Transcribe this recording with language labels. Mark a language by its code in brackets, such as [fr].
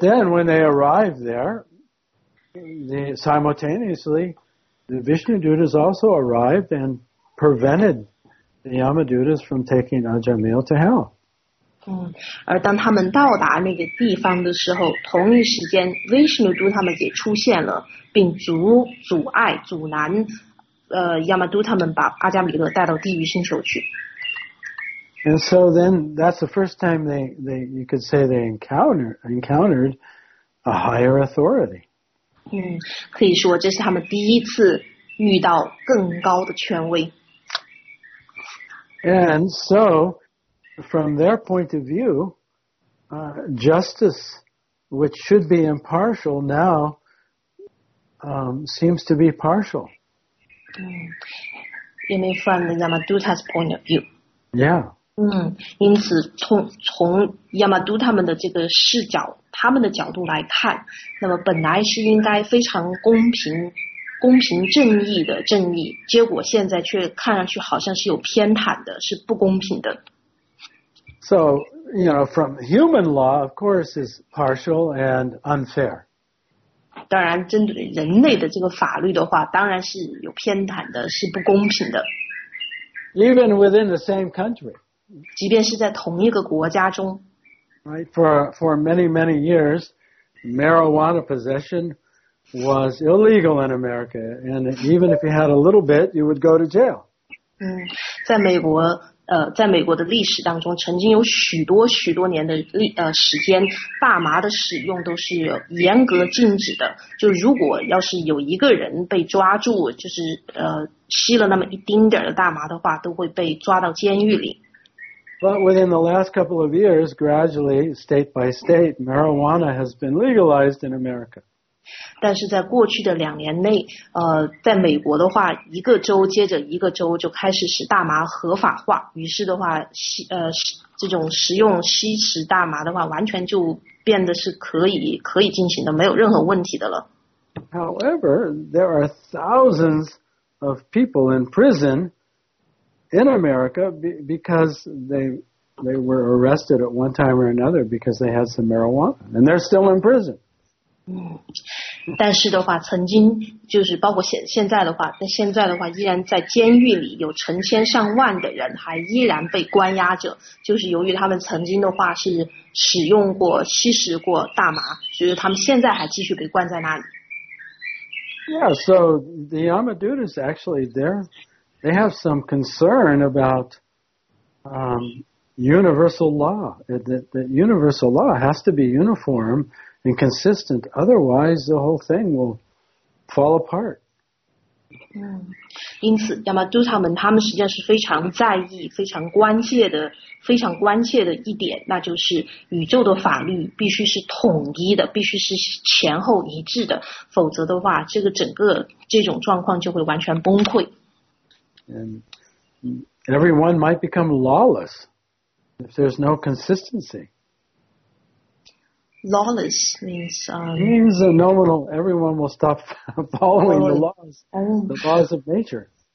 [en] then when they arrived there, simultaneously, the Vishnudutas also arrived and prevented the Yamadutas from taking Ajamil to hell. [zh] 而当他们到达那个地方的时候，同一时间 ，Vishnu都他们也出现了，并阻碍、阻拦，亚玛都他们把阿扎米勒带到地狱星球去。 [en] And so then, that's the first time they you could say they encountered a higher authority. [zh] 可以说这是他们第一次遇到更高的权威。 [en] And so, from their point of view, justice, which should be impartial, now seems to be partial. You mean from the Yamadutas' point of view? Yeah. [zh] 因此从亚马都他们的这个视角，他们的角度来看，那么本来是应该非常公平正义的正义，结果现在却看上去好像是有偏袒的，是不公平的。 [en] So, you know, from human law, of course, is partial and unfair. [zh] 当然，针对人类的这个法律的话，当然是有偏袒的，是不公平的。 [en] Even within the same country. [zh] 即便是在同一个国家中。 [en] Right, for many, many years, marijuana possession was illegal in America, and even if you had a little bit, you would go to jail. [zh] 在美国在美国的历史当中，曾经有许多许多年的时间，大麻的使用都是严格禁止的。就如果要是有一个人被抓住，就是吸了那么一丁点的大麻的话，都会被抓到监狱里。 [en] But within the last couple of years, gradually, state by state, marijuana has been legalized in America. [zh] 但是在过去的两年内在美国的话，一个州接着一个州就开始使大麻合法化，于是的话这种食用吸食大麻的话完全就变得是可以进行的，没有任何问题的了。 [en] However, there are thousands of people in prison in America because they were arrested at one time or another because they had some marijuana and they're still in prison. [zh] 但是的话，曾经就是包括现在的话，但现在的话依然在监狱里有成千上万的人还依然被关押着，就是由于他们曾经的话是使用过吸食过大麻，所以他们现在还继续被关在那里。 [en] Yeah, so the Yamadutas actually they have some concern about universal law. That universal law has to be uniform. And consistent, otherwise the whole thing will fall apart. [zh] 因此亚马都他们实际上是非常在意非常关切的一点，那就是宇宙的法律必须是统一的，必须是前后一致的，否则的话这个整个这种状况就会完全崩溃。 [en] And everyone might become lawless if there's no consistency. Lawless means means a nominal. Everyone will stop following the laws, the laws of nature.